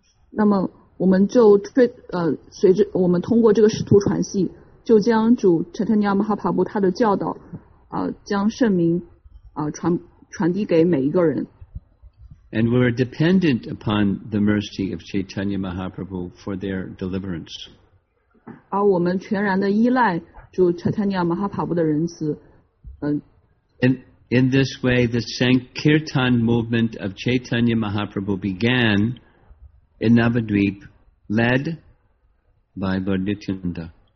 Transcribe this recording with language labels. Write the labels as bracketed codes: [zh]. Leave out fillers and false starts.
[zh] 那么我们就随着我们通过这个使徒传系，就将主 Chaitanya Mahaprabhu 他的教导将圣名传递给每一个人。 [en] And we're dependent upon the mercy of Chaitanya Mahaprabhu for their deliverance. [zh] 而我们全然的依赖。主查坦尼亚马哈帕布的仁慈 [en] In this way, the Sankirtan movement of Chaitanya Mahaprabhu began in Navadvip, led by Lord Nityananda.